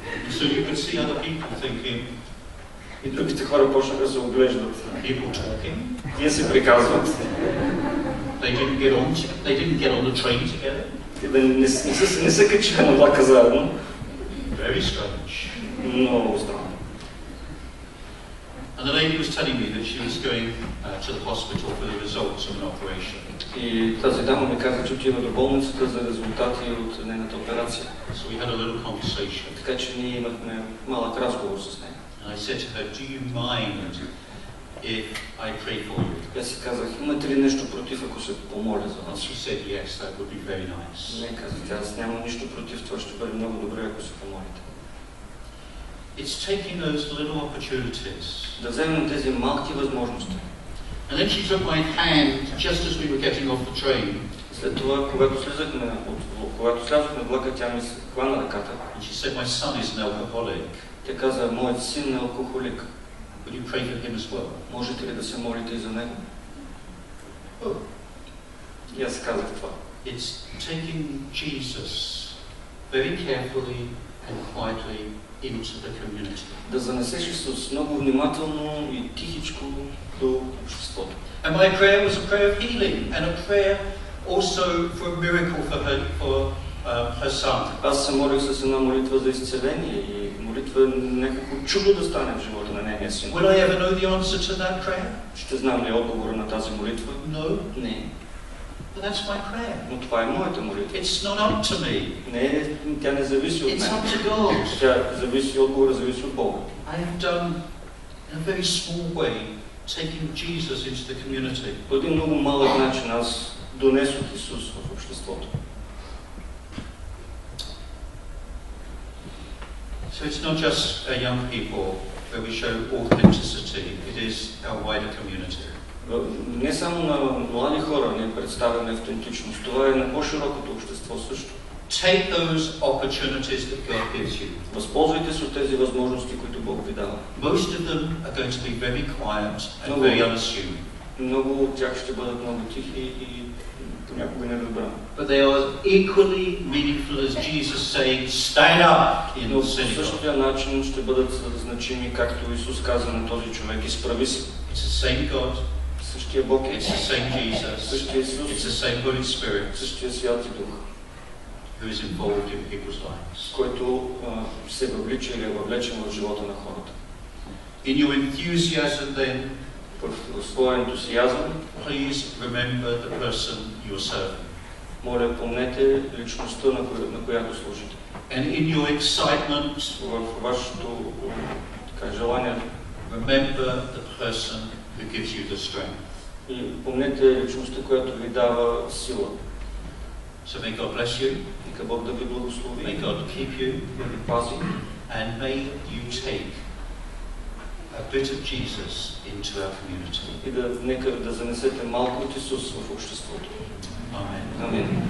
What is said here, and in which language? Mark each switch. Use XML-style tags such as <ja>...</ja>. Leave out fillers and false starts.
<en>So you can see other people thinking.</en> <bg>И другите хора почнаха да се оглеждат.</bg> <en>People talking.</en> <bg>Тие се приказват.</bg> <en>They didn't get on the train together.</en> <bg>Не се качиха на влака заедно.</bg> <en>Very strange.</en> <bg>Много странно.</bg> <en>And the lady was telling me that she was going to the hospital for the results of an operation.</en> <bg>И тази дама ми каза, че отива до болницата за резултати от нейната операция.</bg> <en>So we had a little conversation.</en> <bg>Така че ние имахме малък разговор с нея.</bg> <en>And I said to her, do you mind if I pray for you?</en> <bg>Аз си казах, имате ли нещо против, ако се помоля за вас?</bg> <en>She said, yes, that would be very nice.</en> <bg>Не, казах, аз нямам нищо против, това ще бъде много добре, ако се помолите.</bg> <en>It's taking those little opportunities.</en> <bg>Да вземем тези малки възможности.</bg> <en>And then she took my hand just as we were getting off the train.</en> <bg>След това, когато слязохме влака, тя ми се хвана ръката.</bg> <en>And she said, my son is an alcoholic.</en> <bg>Тя каза, моят син е алкохолик.</bg> <en>Would you pray for him as well?</en> <bg>Можете ли да се молите и за него?</bg> <en>Oh.</en> <bg>И аз казах това.</bg> <en>It's taking Jesus very carefully and quietly into the community.</en> <bg>Да занесеш Исус много внимателно и тихичко до обществото.</bg> <en>And my prayer was a prayer of healing and a prayer also for a miracle for her, her son.</en> <bg>Аз се молих с една молитва за изцеление и молитва някакво чудо да стане в живота на нея син.</bg> <en>Will I ever know the answer to that prayer?</en> <bg>Ще знам ли отговора на тази молитва?</bg> <en>No.</en> <bg>Не.</bg> <en>But that's my prayer.</en> <bg>Но това е моята молитва.</bg> <en>It's not up to me.</en> <bg>Не, тя не зависи от</bg> <en>It's</en> <bg>мен.</bg> <en>It's up to God.</en> <bg>Тя зависи, отговора зависи от Бога.</bg> <en>I have done in a very small way taking Jesus into the community.</en> <bg>По един много малък начин аз донесох Исус в обществото.</bg> <en>So it's not just our young people where we show authenticity, it is our wider community.</en> <bg>Не само на млади хора ние представяме автентичност, това е на по-широкото общество също.</bg> <en>Take those opportunities that God gives you.</en> <bg>Възползвайте се от тези възможности, които Бог ви дава.</bg> <en>Most of them are going to be very quiet and very unassuming.</en> <bg>Много от тях ще бъдат много тихи и понякога не разбрани.</bg> <en>But they are equally meaningful as Jesus saying, stand up in the synagogue.</en> <bg>Но по същия начин ще бъдат значими, както Исус каза на този човек, изправи се.</bg> <en>It's the same God.</en> <bg>Същия Бог е.</bg> <en>It's the same Jesus.</en> <bg>Същия Исус.</bg> <en>It's the same Holy Spirit.</en> <bg>Същия Святи Дух.</bg> <en>Who is involved in people's lives.</en> <bg>Който се въвлича или е въвлечен в живота на хората.</bg> <en>In your enthusiasm then,</en> <bg>в своя ентусиазъм,</bg> <en>please remember the person you are serving.</en> <bg>Моля, помнете личността, на която служите.</bg> <en>And in your excitement,</en> <bg>във вашето желание,</bg> <en>remember the person who gives you the strength.</en> <bg>И помнете личността, която ви дава сила.</bg> <en>So may God bless you.</en> <bg>Нека Бог да ви благослови.</bg> <en>May God keep you.</en> <bg>Да ви пази.</bg> <en>And may you take a bit of Jesus into our community.</en> <bg>И да, нека да занесете малко от Исус в обществото.</bg> <en>Amen.</en>